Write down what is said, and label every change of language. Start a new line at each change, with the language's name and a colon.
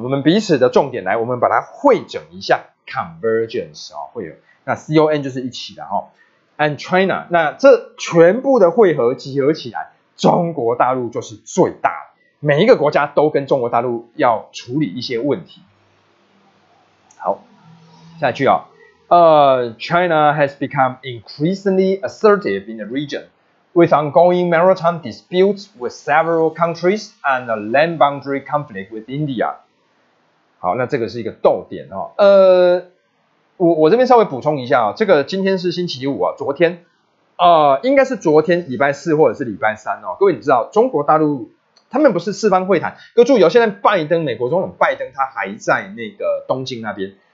Chinese: 我们彼此的重点来，我们把它汇整一下 convergence 啊，汇合，那 con 就是一起的哈 ，and China 那这全部的汇合集合起来。中国大陆就是最大的，每一个国家都跟中国大陆要处理一些问题。好，下去啊、哦。
English: China has become increasingly assertive in the region, with ongoing maritime disputes with several countries and a land boundary conflict with India.
Chinese: 好，那这个是一个逗点哦。我这边稍微补充一下啊、哦，这个今天是星期五啊，昨天。应该是昨天礼拜四或者是礼拜三哦。各位，你知道中国大陆他们不是四方会谈？各位注意哦，现在拜登，美国总统拜登他还在那个东京那边。